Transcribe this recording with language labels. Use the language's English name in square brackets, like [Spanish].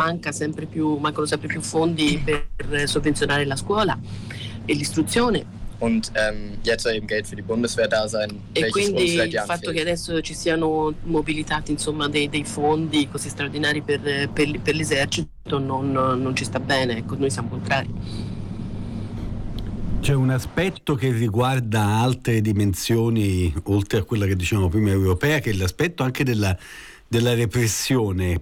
[Italian] sempre più fondi per sovvenzionare la scuola e l'istruzione. [German] Und jetzt soll eben Geld für die Bundeswehr da sein. [Italian] E quindi il fatto che adesso ci siano mobilitati, insomma, dei fondi così straordinari per l'esercito non ci sta bene, ecco, noi siamo contrari. C'è un aspetto che riguarda altre dimensioni, oltre a quella che dicevamo prima europea, che è l'aspetto anche della repressione.